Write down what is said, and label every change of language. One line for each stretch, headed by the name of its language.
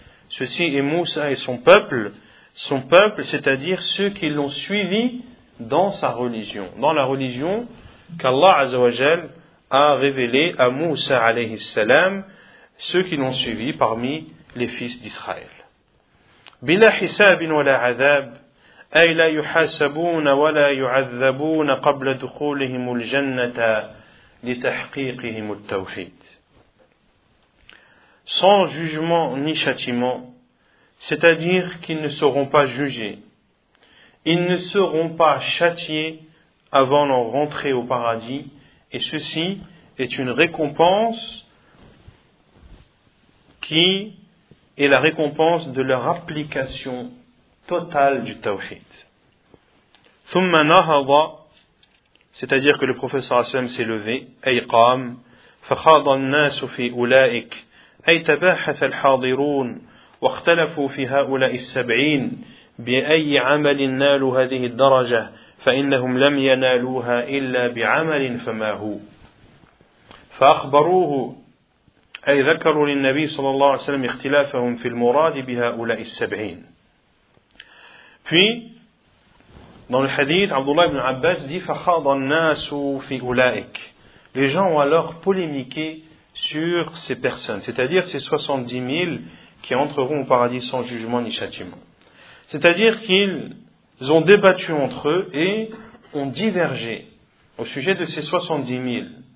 French: Ceci est Moussa et son peuple, c'est-à-dire ceux qui l'ont suivi dans sa religion, dans la religion qu'Allah Azza wa Jal a révélée à Moussa alayhi salam, ceux qui l'ont suivi parmi les fils d'Israël.
Arabic: بلا حساب ولا عذاب أي لا يحاسبون ولا يعذبون قبل دخولهم الجنة لتحقيقهم التوحيد.
French: Sans jugement ni châtiment, c'est-à-dire qu'ils ne seront pas jugés. Ils ne seront pas châtiés avant leur rentrée au paradis, et ceci est une récompense qui et la récompense de leur application totale du tawhid.
Arabic: ثُمَّ نَهَضَ
French: c'est-à-dire que le professeur Hassan s'est levé,
Arabic: أي قام فَخَاضَ النَّاسُ فِي أُولَئِكَ أي تَبَاحَثَ الْحَاضِرُونَ وَاخْتَلَفُوا فِي هَؤُلَاءِ السَّبْعِينَ بِأَيِّ عَمَلٍ نَالُوا هَذِهِ الدَّرَجَةِ فَإِنَّهُمْ لَمْ يَنَالُوهَا إِلَّا بِعَمَلٍ فَمَا هُوَ فَأَخْبَرُوهُ أي ذكروا للنبي صلى الله عليه وسلم اختلافهم في المراد بهؤلاء السبعين.
French: Puis, dans le hadith, Abdullah ibn Abbas dit
Arabic: فخاض الناس في أولئك.
French: Les gens ont alors polémiqué sur ces personnes, c'est-à-dire ces 70 000 qui entreront au paradis sans jugement ni châtiment. C'est-à-dire qu'ils ont débattu entre eux et ont divergé au sujet de ces 70 000.